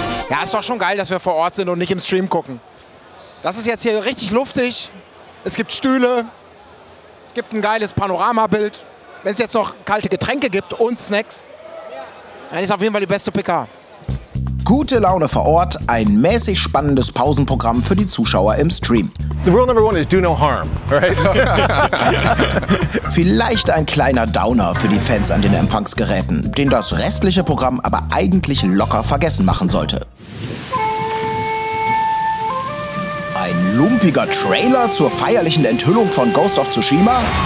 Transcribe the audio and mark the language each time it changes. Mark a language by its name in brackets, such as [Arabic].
[German] Ja, ist doch schon geil, dass wir vor Ort sind und nicht im Stream gucken. Das ist jetzt hier richtig luftig, es gibt Stühle, es gibt ein geiles Panoramabild. Wenn es jetzt noch kalte Getränke gibt und Snacks, dann ist auf jeden Fall die beste PK. Gute Laune vor Ort, ein mäßig spannendes Pausenprogramm für die Zuschauer im Stream. [English] The rule number one is do no harm, right? [German] Vielleicht ein kleiner Downer für die Fans an den Empfangsgeräten, den das restliche Programm aber eigentlich locker vergessen machen sollte. Ein lumpiger Trailer zur feierlichen Enthüllung von Ghost of Tsushima?